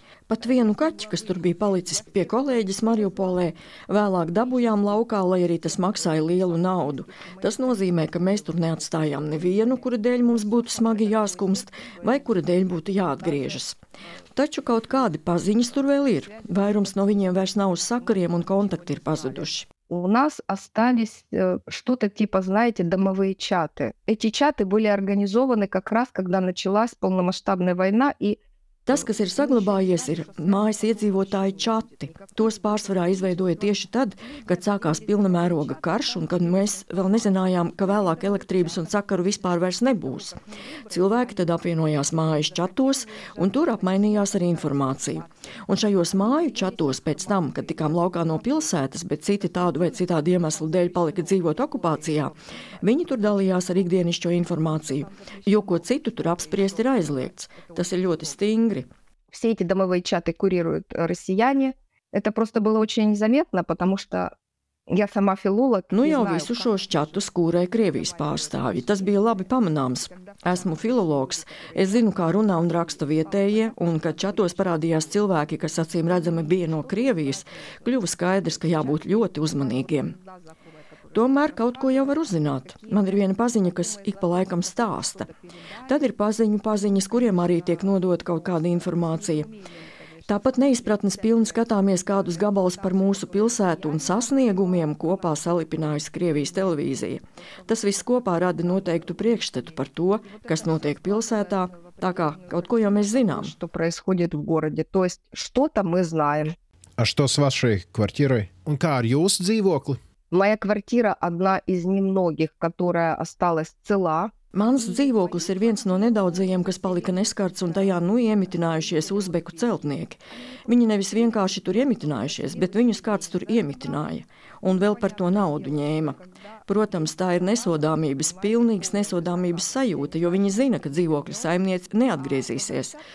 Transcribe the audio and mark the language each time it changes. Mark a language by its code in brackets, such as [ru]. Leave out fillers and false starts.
[lv] Pat vienu kaķi, kas tur bija palicis pie kolēģis Mariupolē, vēlāk dabujām laukā, lai arī tas maksāja lielu naudu. Tas nozīmē, ka mēs tur neatstājām nevienu, kura dēļ mums būtu smagi jāskumst vai kura dēļ būtu jāatgriežas. Taču kaut kādi paziņas tur vēl ir. Vairums no viņiem vairs nav uz sakariem un kontakti ir pazuduši. [ru] У нас остались что-то типа, знаете, домовые чаты. Эти чаты были организованы как раз, когда началась полномасштабная война и [lv] Tas, kas ir saglabājies, ir mājas iedzīvotāji čati. Tos pārsvarā izveidoja tieši tad, kad sākās pilna mēroga karš un kad mēs vēl nezinājām, ka vēlāk elektrības un sakaru vispār vairs nebūs. Cilvēki tad apvienojās mājas čatos un tur apmainījās ar informāciju. Un šajos māju čatos pēc tam, kad tikām laukā no pilsētas, bet citi tādu vai citādu iemeslu dēļ palika dzīvot okupācijā, viņi tur dalījās ar ikdienišķo informāciju, jo ko citu tur apspriest ir aizliegts. Tas ir ļoti stingri. [ru] Все эти домовые чаты курируют россияне. Это просто было очень незаметно, потому что я сама филолог. [lv] Nu jau visu šo šķatu skūrē Krievijas pārstāvji. Tas bija labi pamanāms. Esmu filologs. Es zinu, kā runā un raksta vietējie, un kad čatos parādījās cilvēki, kas acīm redzami bija no Krievijas, kļuva skaidrs, ka jābūt ļoti uzmanīgiem. Tomēr kaut ko jau var uzzināt. Man ir viena paziņa, kas ik pa laikam stāsta. Tad ir paziņas, kuriem arī tiek nodota kaut kāda informācija. Tāpat neizpratnes pilni skatāmies kādus gabalus par mūsu pilsētu un sasniegumiem kopā salipinājis Krievijas televīzija. Tas viss kopā rada noteiktu priekšstatu par to, kas notiek pilsētā, tā kā kaut ko jau mēs zinām. [ru] Što происходит в городе, то есть что-то мы знаем. А что с вашей квартирой? [lv] Un kā ar jūsu dzīvokli? [ru] Моя квартира одна из немногих, которая осталась цела. [lv] Mans dzīvoklis ir viens no nedaudzajiem, kas palika neskarts un tajā nu iemitinājušies uzbeku celtnieki. Viņi nevis vienkārši tur iemitinājušies, bet viņus kāds tur iemitināja un vēl par to naudu ņēma. Protams, tā ir nesodāmības, pilnīgas nesodāmības sajūta, jo viņi zina, ka dzīvokļa saimniece neatgriezīsies.